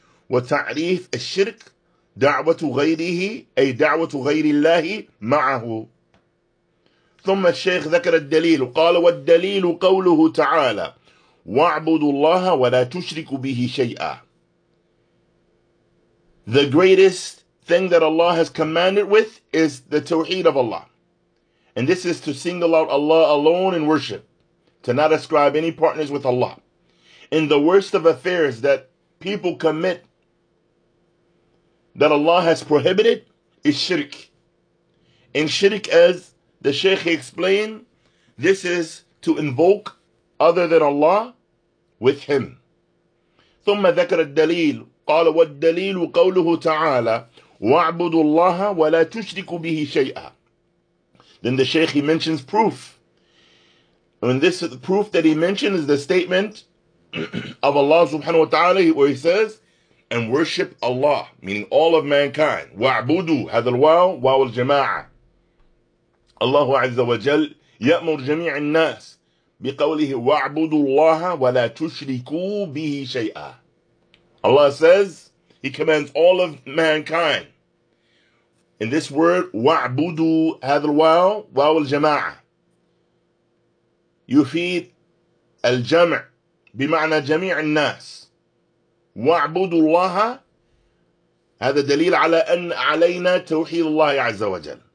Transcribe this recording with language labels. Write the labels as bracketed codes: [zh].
[ar] وتعريف الشرك دعوة غيره أي دعوة غير الله معه. ثم الشيخ ذكر الدليل وقال والدليل قوله تعالى وَاعْبُدُوا اللَّهَ وَلَا تُشْرِكُ بِهِ شَيْئًا. [en] The greatest thing that Allah has commanded with is the tawheed of Allah. And this is to single out Allah alone in worship, to not ascribe any partners with Allah. In the worst of affairs that people commit that Allah has prohibited is shirk. And shirk, as the Shaykh explained, this is to invoke other than Allah with him. [ar] ثم ذكر الدليل قال والدليل قوله تعالى واعبدوا الله ولا تشركوا به شيئا. [en] Then the Shaykh, he mentions proof. And this proof that he mentioned is the statement of Allah subhanahu wa ta'ala, where he says, and worship Allah, meaning all of mankind. [ar] واعبدوا هذا الواو واو الجماعة. الله عز وجل يأمر جميع الناس بقوله وَاعْبُدُوا اللَّهَ وَلَا تُشْرِكُوا بِهِ شَيْئًا. [en] Allah says, He commands all of mankind. In this word, [ar] وَاعْبُدُوا هَذَا الْوَاوَ وَاوَ الْجَمَاعَةِ يُفِيد الجمع بمعنى جميع الناس. وَاعْبُدُوا اللَّهَ هذا دليل على أن علينا توحيد الله عز وجل.